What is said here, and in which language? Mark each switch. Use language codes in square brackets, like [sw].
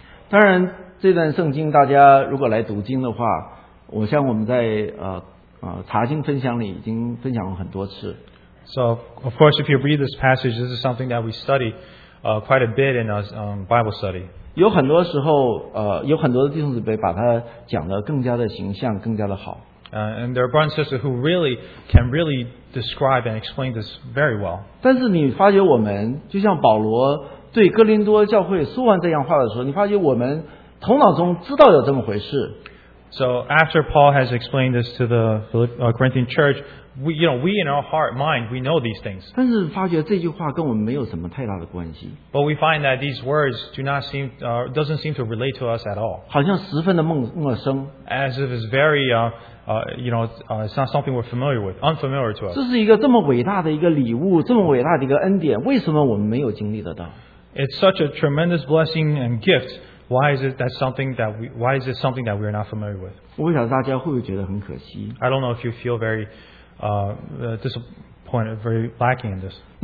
[zh] 当然，这段圣经大家如果来读经的话，我像我们在查经分享里已经分享过很多次。 [en] So of course, if you read this passage, this is something that we study quite a bit in our Bible study. [zh] 有很多时候，有很多的弟兄姊妹把它讲得更加的形象，更加的好。 [en] And there are brothers and sisters who really can really describe and explain this very well. [zh] 但是你发觉我们, 就像保罗对哥林多教会说完这样话的时候，你发觉我们 头脑中知道有这么回事。 [en] So after Paul has explained this to the Corinthian church, we in our heart, mind, we know these things. [zh] 但是发觉这句话跟我们没有什么太大的关系。 [en] But we find that these words do not seem, doesn't seem to relate to us at all. [zh] 好像十分的陌生。 [en] As if it's very, it's not something we're familiar with, unfamiliar to us. [zh] 这是一个这么伟大的一个礼物，这么伟大的一个恩典，为什么我们没有经历得到？ [en] It's such a tremendous blessing and gift. Why is it something that we are not familiar with? I don't know if you feel very disappointed, very lacking in this.